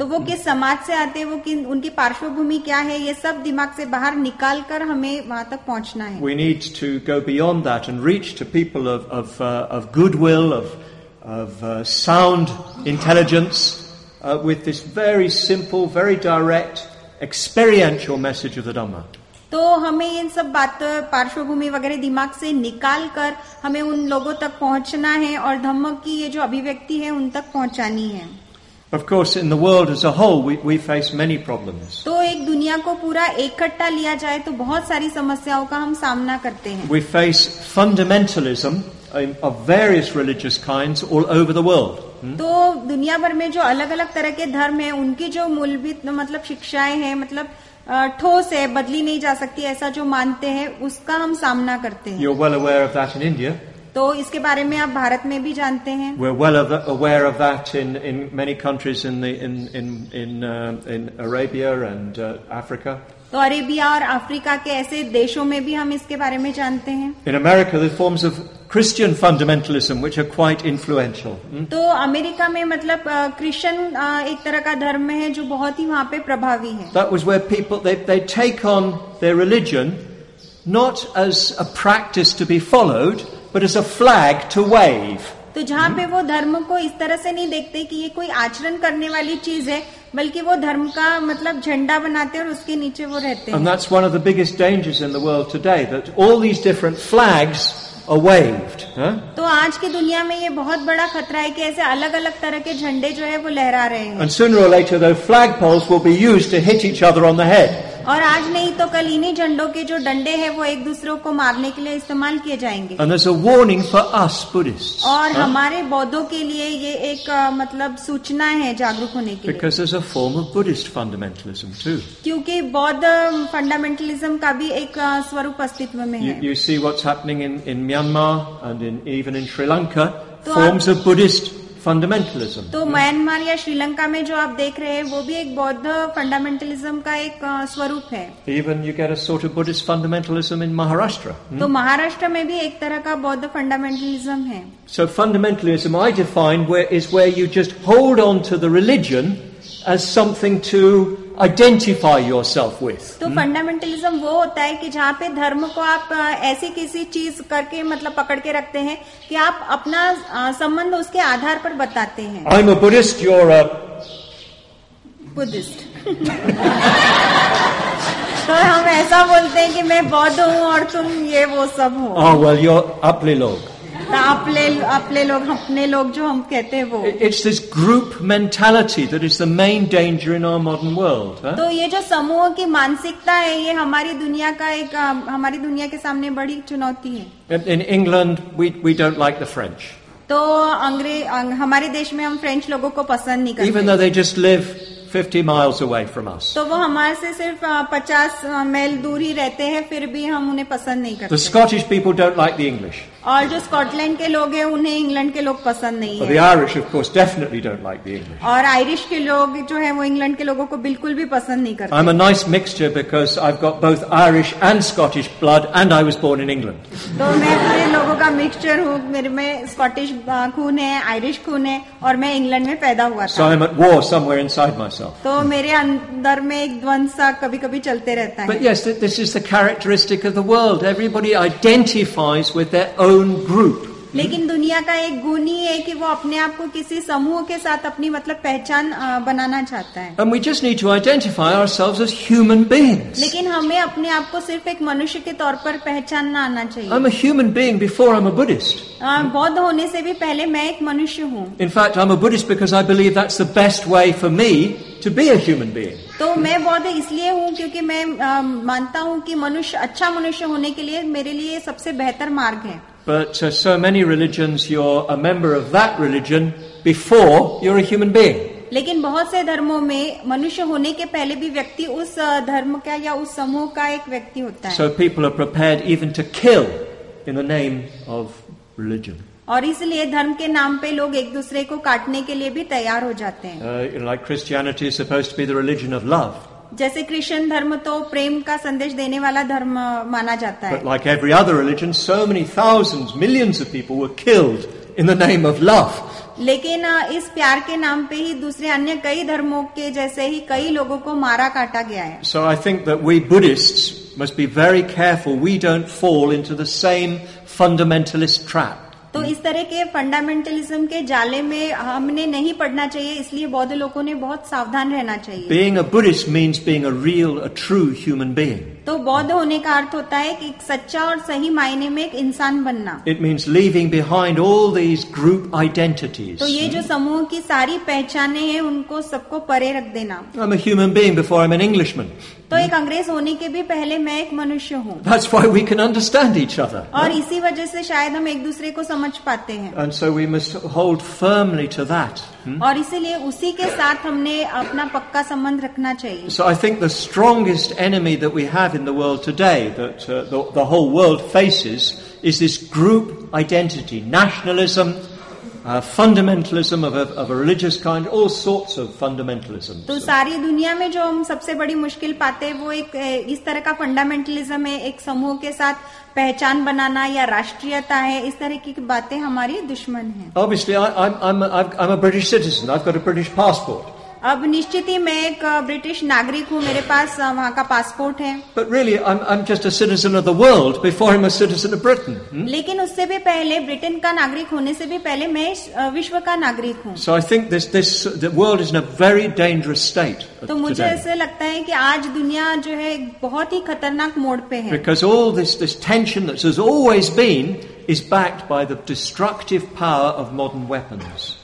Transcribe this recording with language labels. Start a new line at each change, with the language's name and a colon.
Hindi: तो वो किस समाज से आते हैं, वो किन उनकी पार्श्वभूमि क्या है, ये सब दिमाग से बाहर निकाल कर हमें वहां तक पहुंचना है.
English: We need to go beyond that and reach to people of goodwill, of sound intelligence, with this very simple, very direct, experiential message of the Dhamma.
Hindi: तो हमें इन सब बात पार्श्वभूमि वगैरह दिमाग से निकाल कर हमें उन लोगों तक पहुंचना है और धम्म की ये जो अभिव्यक्ति है उन तक पहुंचानी है.
English: Of course, in the world as a whole, we face many problems.
Hindi: तो एक दुनिया को पूरा एकट्ठा लिया जाए तो बहुत सारी समस्याओं का हम सामना करते हैं.
English: We face fundamentalism of various religious kinds all over the world.
Hindi: तो दुनिया भर में जो अलग अलग तरह के धर्म हैं, उनकी जो मूलभूत मतलब शिक्षाएं हैं, मतलब ठोस है, बदली नहीं जा सकती, ऐसा जो मानते हैं उसका हम सामना करते हैं.
English: You're well aware of that in India.
Hindi: तो इसके बारे में आप भारत में भी जानते हैं.
English: We're well aware of that in many countries in Arabia and Africa.
Hindi: तो अरेबिया और अफ्रीका के ऐसे देशों में भी हम इसके बारे में जानते हैं.
English: In America, the forms of Christian fundamentalism, which are quite influential.
Hindi: तो अमेरिका में मतलब क्रिश्चियन एक तरह का धर्म है जो बहुत ही वहाँ पे प्रभावी है.
English: That was where people they take on their religion not as a practice to be followed, but as a flag to wave.
Hindi: तो जहाँ पे वो धर्म को इस तरह से नहीं देखते कि ये कोई आचरण करने वाली चीज है, बल्कि वो धर्म का मतलब झंडा बनाते और उसके नीचे वो रहते.
English: And that's one of the biggest dangers in the world today, that all these different flags are waved.
Hindi: तो आज की दुनिया में ये बहुत बड़ा खतरा है कि ऐसे अलग अलग तरह के झंडे जो है वो लहरा रहे हैं.
English: And sooner or later, those flag poles will be used to hit each other on the head.
Hindi: और आज नहीं तो कल इन्हीं झंडों के जो डंडे हैं वो एक दूसरे को मारने के लिए इस्तेमाल किए जाएंगे.
English: And there's a warning for us Buddhists.
Hindi: और हमारे बौद्धों के लिए ये एक मतलब सूचना है जागरूक होने के लिए.
English: Because there's a form of Buddhist fundamentalism too.
Hindi: क्योंकि बौद्ध फंडामेंटलिज्म का भी एक स्वरूप अस्तित्व में है.
English: You see what's happening in Myanmar and even in Sri Lanka, forms of Buddhist fundamentalism.
Hindi: तो म्यांमार या श्रीलंका में जो आप देख रहे हैं वो भी एक बौद्ध फंडामेंटलिज्म का एक स्वरूप है.
English: Even you get a sort of Buddhist fundamentalism in Maharashtra.
Hindi: तो महाराष्ट्र में भी एक तरह का बौद्ध फंडामेंटलिज्म है.
English: So fundamentalism I define is where you just hold on to the religion as something to identify yourself with.
Hindi: तो फंडामेंटलिज्म वो होता है कि जहाँ पे धर्म को आप ऐसी किसी चीज करके मतलब पकड़ के रखते हैं कि आप अपना संबंध उसके आधार पर बताते हैं.
English: I'm a Buddhist, you're a Buddhist.
Hindi: तो हम ऐसा बोलते हैं कि मैं बौद्ध हूँ और तुम ये वो सब हो.
English: Oh, well, you're
Hindi: अपने लोग. अपने लोग जो हम कहते हैं वो.
English: It's this group mentality that is the main danger in our modern world.
Hindi: तो ये जो समूह की मानसिकता है ये हमारी दुनिया के सामने बड़ी चुनौती है.
English: In England, we don't like the French.
Hindi: तो हमारे देश में हम फ्रेंच लोगों को पसंद नहीं करते.
English: Even though they just live 50 miles away from us.
Hindi: तो वो हमारे से सिर्फ 50 मील दूर ही रहते हैं, फिर भी हम उन्हें पसंद नहीं करते.
English: The Scottish people don't like the English.
Hindi: और जो स्कॉटलैंड के लोग हैं उन्हें इंग्लैंड के लोग पसंद नहीं
English: है. The Irish, of course, definitely don't like the English.
Hindi: और आयरिश के लोग जो हैं वो इंग्लैंड के लोगों को बिल्कुल भी पसंद नहीं करते.
English: I'm a nice mixture because I've got both Irish and Scottish blood and I was born in England.
Hindi: तो मैं पूरे लोगों का मिक्सचर हूँ. मेरे में स्कॉटिश खून है, आयरिश खून है और मैं इंग्लैंड में पैदा हुआ था.
English: So I'm at war somewhere inside myself.
Hindi: तो मेरे अंदर में एक द्वंद्वसा कभी कभी चलते रहता है.
English: But yes, this is the characteristic of the world. Everybody identifies with their own group.
Hindi: लेकिन दुनिया का एक गुण ही है कि वो अपने आप को किसी समूह के साथ अपनी मतलब पहचान बनाना चाहता है.
English: And we just need to identify ourselves as human beings.
Hindi: लेकिन हमें अपने आप को सिर्फ एक मनुष्य के तौर पर पहचानना आना चाहिए.
English: I'm a human being before I'm a Buddhist.
Hindi: बौद्ध होने से भी पहले मैं एक मनुष्य हूँ.
English: In fact, I'm a Buddhist because I believe that's the best way for me to be a human being.
Hindi: तो मैं बौद्ध इसलिए हूँ क्योंकि मैं मानता हूँ कि मनुष्य अच्छा मनुष्य होने के लिए मेरे लिए सबसे बेहतर मार्ग है.
English: But so many religions, you're a member of that religion before you're a human being.
Hindi: लेकिन बहुत से धर्मों में मनुष्य होने के पहले भी व्यक्ति उस धर्म का या उस समूह का एक व्यक्ति होता है.
English: So people are prepared even to kill in the name of religion.
Hindi: और इसलिए धर्म के नाम पे लोग एक दूसरे को काटने के लिए भी तैयार हो जाते हैं.
English: Like Christianity is supposed to be the religion of love.
Hindi: जैसे क्रिश्चियन धर्म तो प्रेम का संदेश देने वाला धर्म माना जाता है.
English: But like every other religion, so many thousands, millions of people were killed in the name of love.
Hindi: लेकिन इस प्यार के नाम पे ही दूसरे अन्य कई धर्मों के जैसे ही कई लोगों को मारा काटा गया है.
English: So I think that we Buddhists must be very careful we don't fall into the same fundamentalist trap.
Hindi: तो इस तरह के फंडामेंटलिज्म के जाले में हमने नहीं पढ़ना चाहिए, इसलिए बौद्ध लोगों ने बहुत सावधान रहना चाहिए.
English: Being a Buddhist means being a real, a true human being.
Hindi: तो बौद्ध होने का अर्थ होता है कि एक सच्चा और सही मायने में एक इंसान बनना.
English: It means leaving behind all these group identities.
Hindi: तो ये जो समूह की सारी पहचानें हैं उनको सबको परे रख देना.
English: I'm a human being before I'm an Englishman.
Hindi: तो एक अंग्रेज होने के भी पहले मैं एक मनुष्य हूँ.
English: That's why we can understand each other.
Hindi: और इसी वजह से शायद हम एक दूसरे को समझ पाते हैं.
English: And so we must hold firmly to that.
Hindi: और इसीलिए उसी के साथ हमने अपना पक्का संबंध रखना चाहिए.
English: So I think the strongest enemy that we have in the world today, that the whole world faces, is this group identity, nationalism. Fundamentalism of a religious kind, all sorts of fundamentalism.
Hindi: तो सारी दुनिया में जो हम सबसे बड़ी मुश्किल पाते हैं वो एक इस तरह का फंडामेंटलिज्म है, एक समूह के साथ पहचान बनाना या राष्ट्रीयता है, इस तरह की बातें हमारी दुश्मन हैं.
English: Obviously, I'm a British citizen. I've got a British passport.
Hindi: अब निश्चित ही मैं एक ब्रिटिश नागरिक हूँ, मेरे पास वहाँ का पासपोर्ट है.
English: But really, I'm just a citizen of the world before I'm a citizen of Britain.
Hindi: लेकिन उससे भी पहले ब्रिटेन का नागरिक होने से भी पहले मैं विश्व का नागरिक हूँ.
English: So I think this the world is in a very dangerous state.
Hindi: तो मुझे ऐसे लगता है कि आज दुनिया जो है बहुत ही खतरनाक मोड़ पे है.
English: Because all this tension that has always been is backed by the destructive power of modern weapons.